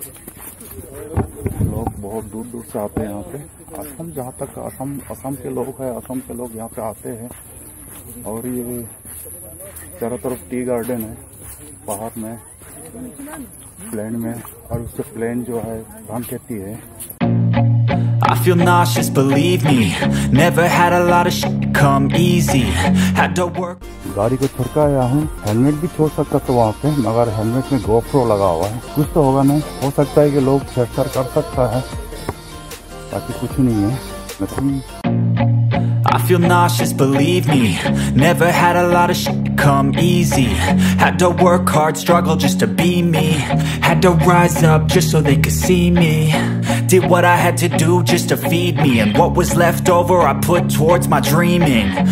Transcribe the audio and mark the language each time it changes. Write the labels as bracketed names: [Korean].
[Hindi] बहुत दूर दूर से आते हैं यहाँ पे, असम जहाँ तक असम के लोग हैं, असम के लोग यहाँ पे आते हैं। और ये चारों तरफ टी गार्डन है, पहाड़ में प्लेन में, और उससे प्लेन जो है धान खेती है। [English] I feel nauseous, believe me. Never had a lot of shit come easy. Had to work. [Hindi] गाड़ी को छुड़का आया हूँ, हेलमेट भी छोड़ सकता था वहाँ पे, मगर हेलमेट में गोप्रो लगा हुआ है, कुछ तो होगा नहीं। हो सकता है कि लोग छेड़छाड़ कर सकता है, बाकी कुछ नहीं है, nothing. [English] I feel nauseous, believe me. Never had a lot of shit come easy. Had to work hard, struggle just to be me. Had to rise up just so they could see me. Did what I had to do just to feed me. And what was left over I put towards my dreaming.